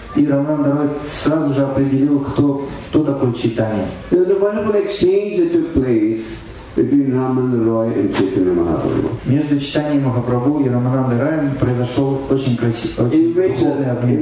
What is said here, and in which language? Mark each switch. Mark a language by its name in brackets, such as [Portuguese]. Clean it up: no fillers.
[Russian] И Рамананда Рай сразу же определил, кто такой Читание. [English] There was a wonderful exchange that took place between Ramananda Roy and Chaitanya Mahaprabhu. [Russian] Между Читанием Махапрабху и Рамананда Раем произошел очень красивый обмен.